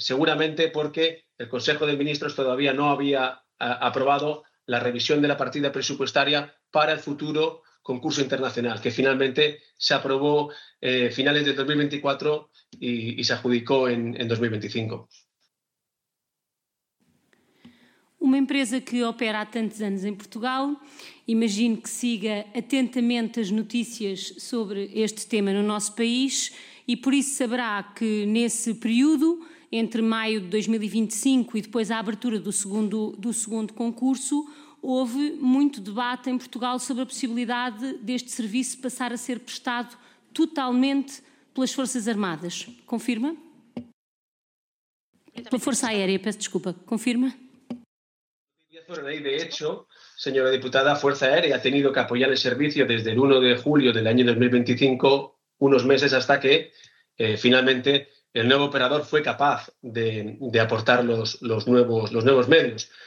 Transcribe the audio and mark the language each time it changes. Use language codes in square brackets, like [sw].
[es] Seguramente porque el Consejo de Ministros todavía no había aprobado la revisión de la partida presupuestaria para el futuro concurso internacional, que finalmente se aprobó finales de 2024 y se adjudicó en 2025. [pt] Uma empresa que opera há tantos anos em Portugal, imagino que siga atentamente as notícias sobre este tema no nosso país e por isso saberá que nesse período, entre maio de 2025 e depois a abertura do segundo concurso, houve muito debate em Portugal sobre a possibilidade deste serviço passar a ser prestado totalmente pelas Forças Armadas. Confirma? Pela Força Aérea, peço desculpa. Confirma? [es] De hecho, [pt] senhora deputada, [es] a Força Aérea ha tenido que [pt] apoiar o serviço desde o [es] 1 de julho del año 2025, unos meses hasta que, finalmente, el nuevo operador fue capaz de aportar los nuevos medios.